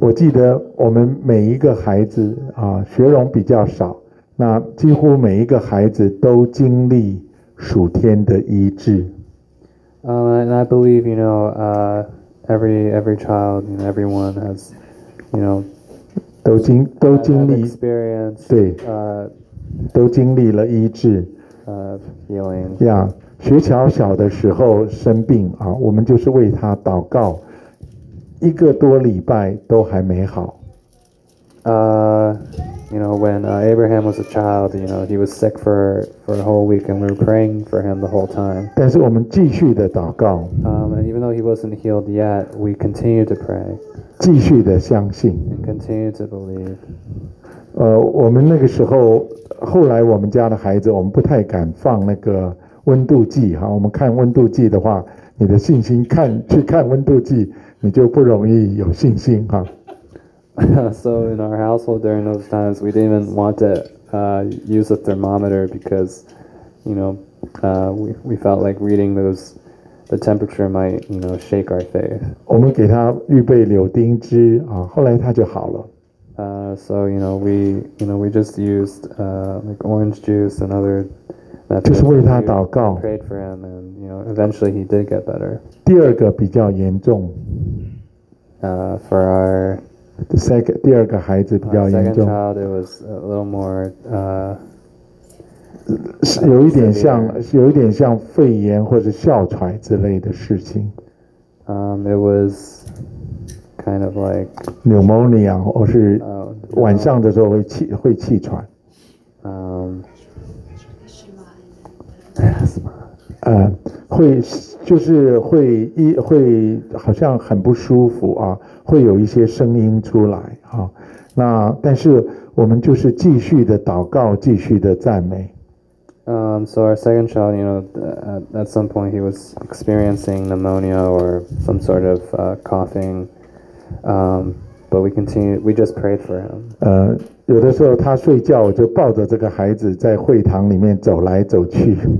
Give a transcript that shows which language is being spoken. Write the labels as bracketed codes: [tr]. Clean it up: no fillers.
[zh] 我记得我们每一个孩子学荣比较少，那几乎每一个孩子都经历属天的医治。 [en] And I believe, you know, every child, you know, everyone has You know, [zh] 都经历 [en] experience, [zh] 对，都经历了医治 [en] healing. Yeah, [zh] 雪桥小的时候生病啊，我们就是为他祷告，一个多礼拜都还没好。 [en] You know, when Abraham was a child, you know, he was sick for a whole week, and we were praying for him the whole time. [zh] 但是我们继续的祷告。 [en] And even though he wasn't healed yet, we continued to pray. [zh] 继续的相信。 [en] And continued to believe. [zh] 我们那个时候，后来我们家的孩子，我们不太敢放那个温度计哈。我们看温度计的话，你的信心看去看温度计，你就不容易有信心哈。 [en] So in our household during those times, we didn't even want to use a thermometer because, you know, we felt like reading those, the temperature might, you know, shake our faith. [zh] 我们给他预备柳丁汁啊，后来他就好了。 [en] So we just used like orange juice and other methods. [zh] 就是为他祷告。 [en] Prayed for him, and you know, eventually he did get better. [zh] 第二个比较严重。 [en] For our The second, [zh] 第二个孩子比较严重。 [en] Second child, it was a little more, [zh] 有一点像，有一点像肺炎或者哮喘之类的事情。 [en] It was kind of like [zh] pneumonia, 或是晚上的时候会气喘。会就是会一会好像很不舒服啊，会有一些声音出来啊。那但是我们就是继续的祷告，继续的赞美。 [en] So our second child, you know, at some point he was experiencing pneumonia or some sort of coughing. But we continued, we just prayed for him. [zh] 有的时候他睡觉，我就抱着这个孩子在会堂里面走来走去。